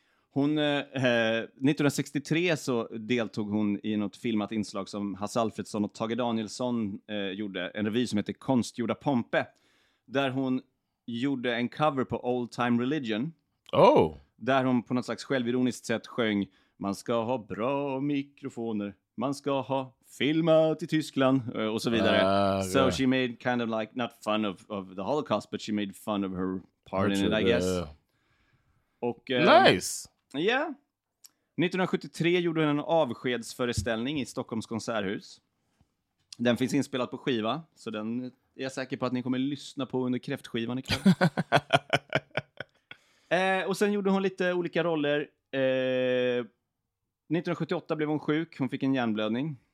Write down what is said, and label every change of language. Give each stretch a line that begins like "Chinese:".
Swedish: Hon, 1963 så deltog hon i något filmat inslag som Hasse Alfredsson och Tage Danielsson gjorde. En revy som heter Konstgjorda Pompe. Där hon gjorde en cover på Old Time Religion.
English: Oh!
Swedish: Där hon på något slags självironiskt sätt sjöng man ska ha bra mikrofoner, man ska ha... filma till Tyskland och så vidare.
English: Okay. So she made kind of like not fun of the Holocaust, but she made fun of her part in it, I guess.
Swedish: Och,
English: nice!
Swedish: Ja. Yeah. 1973 gjorde hon en avskedsföreställning i Stockholms konserthus. Den finns inspelad på skiva, så den är jag säker på att ni kommer lyssna på under kräftskivan ikväll. och sen gjorde hon lite olika roller. 1978 blev hon sjuk. Hon fick en hjärnblödning.